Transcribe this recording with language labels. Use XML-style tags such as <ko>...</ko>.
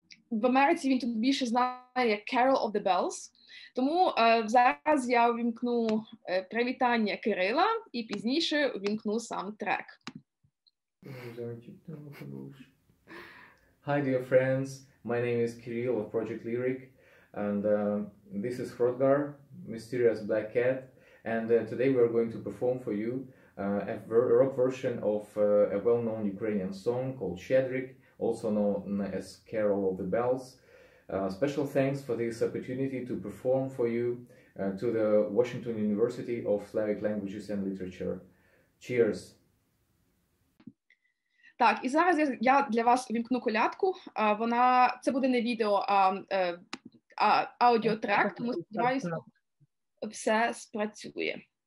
<uk>В Америці він тут більше знає як Carol of the Bells. Тому зараз я увімкну привітання Кирила і пізніше увімкну сам трек.</uk> <en>Hi dear friends, my name is Kirill of Project Lyric and this is Hrodgar, Mysterious Black Cat, and today we are going to perform for you a rock version of a well-known Ukrainian song called Щедрик, also known as Carol of the Bells. Special thanks for this opportunity to perform for you to the Washington University of Slavic Languages and Literature. Cheers!</en> <uk>Так, і зараз я для вас увімкну колядку. Це буде не відео, а аудіотрек, тому сподіваюся, все спрацює.</uk>